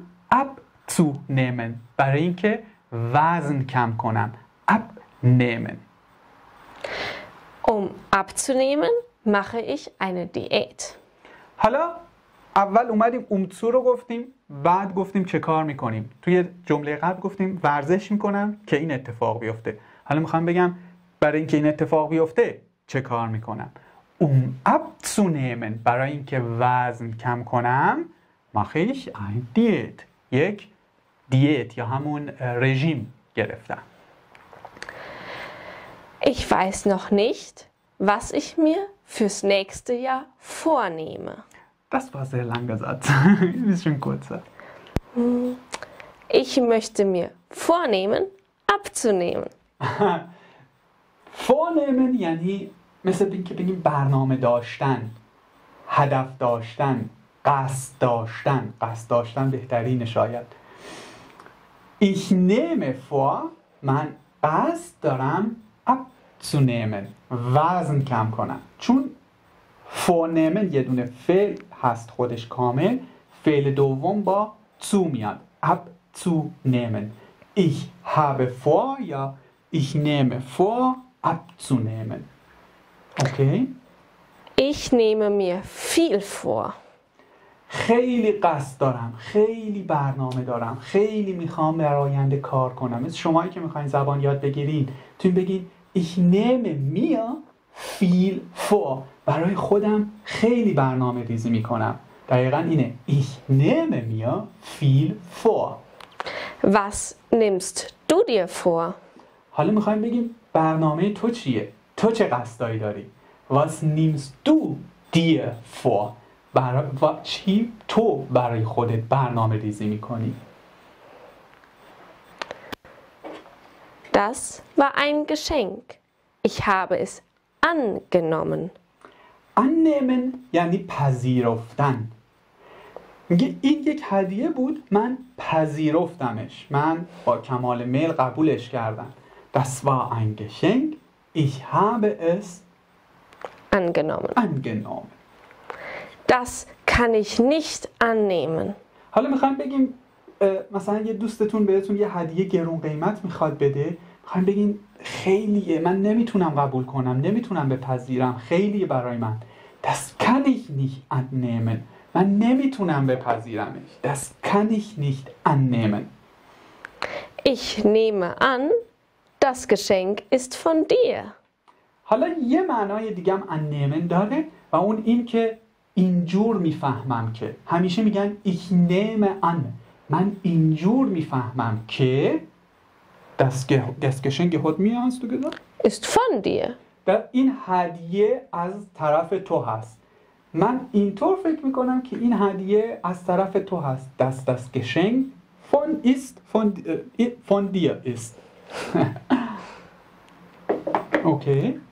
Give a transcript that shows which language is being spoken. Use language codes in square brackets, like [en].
[de] abzunehmen, [fa] برای اینکه وزن کم کنم. [de] abnehmen. abzunehmen, mache ich eine Diät. [fa] حالا اول اومدیم zu رو گفتیم، بعد گفتیم چه کار میکنیم. توی جمله قبل گفتیم ورزش میکنم که این اتفاق بیفته. حالا میخوام بگم برای اینکه این اتفاق بیفته چه کار میکنم. [de] abzunehmen [fa] برای اینکه وزن کم کنم [de] mache ich eine Diät. [fa] یک دیت یا همون رژیم گرفتم. [de] ich weiß noch nicht was ich mir fürs nächste Jahr vornehme. das war sehr langer Satz. bisschen kurzer. ich möchte mir vornehmen abzunehmen. [fa] vornehmen یعنی مثل اینکه بگیم برنامه داشتن، هدف داشتن، قصد داشتن. قصد داشتن بهترین شاید. [de] ich nehme vor، [fa] من قصد دارم [de] abzunehmen، [fa] وزن کم کنم. چون vornehmen یه دونه فعل هست خودش کامل، فعل دوم با zu میاد، abzunehmen. [de] ich habe vor [fa] یا [de] ich nehme vor abzunehmen. Okay. ich nehme mir viel vor. [fa] خیلی قصد دارم، خیلی برنامه دارم، خیلی میخوام در آینده کار کنم. مثل شمایی که میخواین زبان یاد بگیرین توی بگین [de] ich nehme mir viel vor، [fa] برای خودم خیلی برنامه ریزی میکنم. دقیقا اینه [de] ich nehme mir viel vor. was nimmst du dir vor؟ [fa] حالا میخواییم بگیم برنامه تو چیه؟ تو چه قصدایی داری؟ [de] was nimmst du dir vor؟ [fa] چی تو برای خودت برنامه ریزی میکنی؟ [de] das war ein geschenk. ich habe es angenommen. [fa] annehmen یعنی پذیرفتن. این یک هدیه بود، من پذیرفتمش، من با کمال میل قبولش کردم. [de] das war ein geschenk. ich habe es angenommen. das kann ich nicht annehmen. [fa] حالا میخوایم بگیم مثلا یه دوستتون بهتون یه هدیه گرون قیمت میخواد بده، میخوایم بگیم خیلیه، من نمیتونم قبول کنم، نمیتونم بپذیرم، خیلیه برای من. [de] das kann ich nicht annehmen. [fa] من نمیتونم بپذیرمش. [de] das kann ich nicht annehmen. ich nehme an Das Geschenk ist von dir. [fa] حالا یه معنای دیگه هم ان نیمن داره و اون این که اینجور میفهمم که همیشه میگن [de] ich nehme an [fa] من اینجور میفهمم که [de] das Geschenk hat mir hast du gesagt ist von dir [fa] این هدیه از طرف تو هست من اینطور فکر میکنم که این هدیه از طرف تو هست [de] das Geschenk von ist von dir ist okay